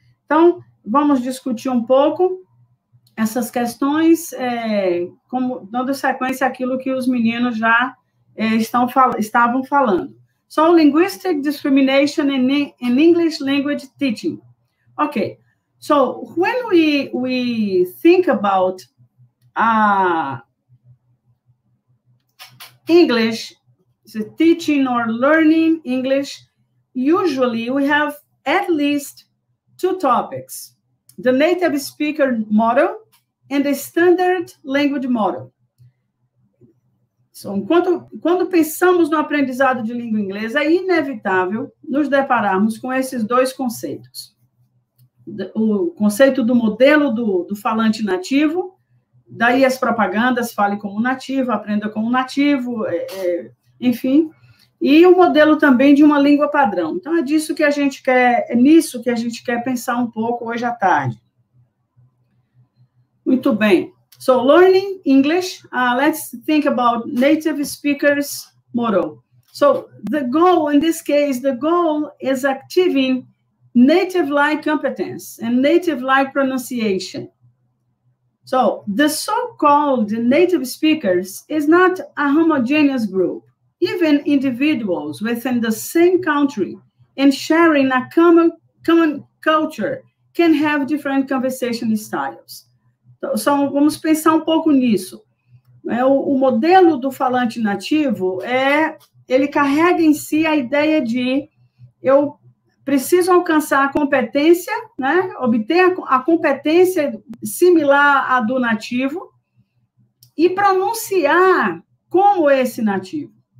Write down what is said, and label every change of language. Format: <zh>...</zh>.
<pt>Então, vamos discutir um pouco essas questões, como, dando sequência àquilo que os meninos já estavam falando.</pt> <en>So, linguistic discrimination in English language teaching. Okay, so when we think about English, so teaching or learning English, usually we have at least two topics, the native speaker model and the standard language model.</en> <pt>So, quando pensamos no aprendizado de língua inglesa, é inevitável nos depararmos com esses dois conceitos. O conceito do modelo do falante nativo, daí as propagandas, fale como nativo, aprenda como nativo, enfim. E o modelo também de uma língua padrão. Então, é nisso que a gente quer pensar um pouco hoje à tarde. Muito bem.</pt> <en>So, learning English, let's think about native speakers model. So, the goal, in this case, the goal is achieving native-like competence and native-like pronunciation. So, the so-called native speakers is not a homogeneous group, even individuals within the same country and sharing a common culture can have different conversation styles.</en> <pt>Então, vamos pensar um pouco nisso. O modelo do falante nativo ele carrega em si a ideia de eu preciso alcançar a competência, né? Obter a competência similar à do nativo e pronunciar como esse nativo.</pt>